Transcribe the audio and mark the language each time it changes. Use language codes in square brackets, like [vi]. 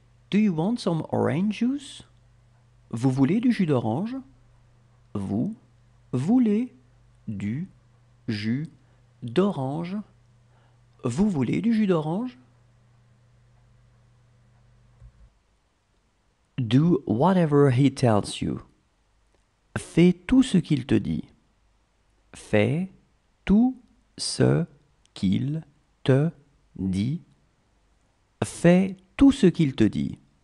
[en] Do you want some orange juice? [fr] Vous voulez du jus d'orange? Vous voulez du jus d'orange? Vous voulez du jus d'orange? [en] Do whatever he tells you. [fr] Fais tout ce qu'il te dit. Fais tout ce qu'il te dit. Fais tout ce qu'il te dit.